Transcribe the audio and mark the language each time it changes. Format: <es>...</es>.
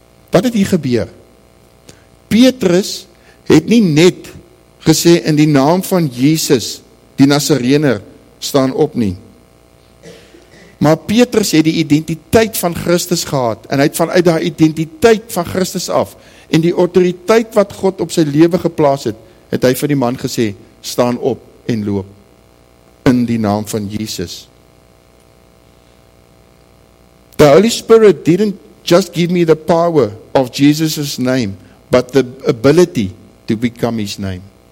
<af>Wat het hier gebeur? Petrus het nie net gesê in die naam van Jesus, die Nazarener, staan op nie. Maar Petrus het die identiteit van Christus gehad, en hy het vanuit die identiteit van Christus af, en die autoriteit wat God op sy lewe geplaas het, het hy vir die man gesê, staan op en loop, in die naam van Jesus.</af> <en>The Holy Spirit didn't just give me the power of Jesus' name, but the ability to become his name.</en>